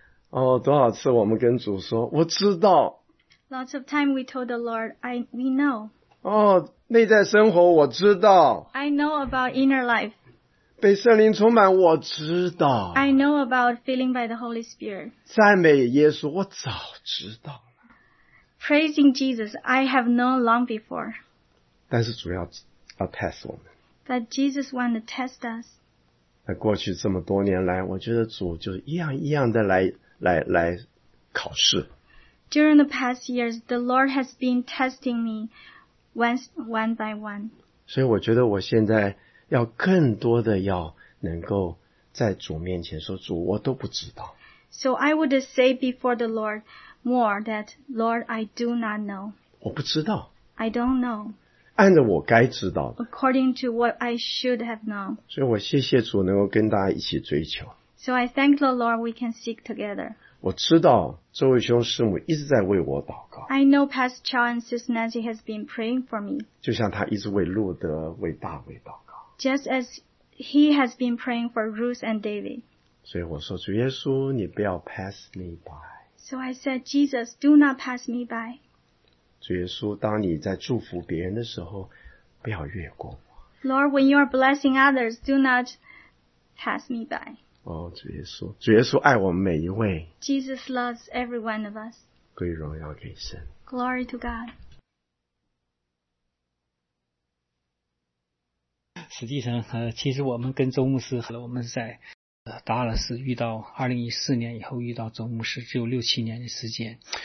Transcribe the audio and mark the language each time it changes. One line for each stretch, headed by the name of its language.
Chinese: 哦，多少次我们跟主说，我知道。
English: Lots of time we told the Lord, we know.
Chinese: 哦，内在生活我知道。
English: I know about inner life.
Chinese: 被圣灵充满我知道。
English: I know about feeling by the Holy Spirit.
Chinese: 赞美耶稣我早知道。
English: Praising Jesus, I have known long before.
Chinese: 但是主要 test 我们。
English: But Jesus wanted to test us.
Chinese: 那过去这么多年来，我觉得主就一样一样的来考试。
English: During the past years, the Lord has been testing me one by one.
Chinese: 所以我觉得我现在要更多的要能够在主面前说主，我都不知道。
English: So I would say before the Lord more that Lord, I do not know.
Chinese: 我不知道。
English: I don't know.
Chinese: 按着我该知道的。
English: According to what I should have known.
Chinese: 所以我谢谢主能够跟大家一起追求。
English: So I thank the Lord we can seek together.
Chinese: 我知道周伟兄师母一直在为我祷告。
English: I know Pastor Chow and Sister Nancy has been praying for me.
Chinese: 就像他一直为路德为大卫祷告。
English: Just as he has been praying for Ruth and David.
Chinese: 所以我说主耶稣你不要
English: pass me by So I said Jesus do not pass me by
Chinese: 主耶稣当你在祝福别人的时候不要越过我
English: Lord when you are blessing others do not pass me by
Chinese: 哦主耶稣主耶稣爱我们每一位
English: Jesus loves every one of us
Chinese: 归荣耀给神
English: Glory to God
Chinese: 实际上其实我们跟周牧师我们在达拉斯遇到2014年以后遇到周牧师只有六七年的时间。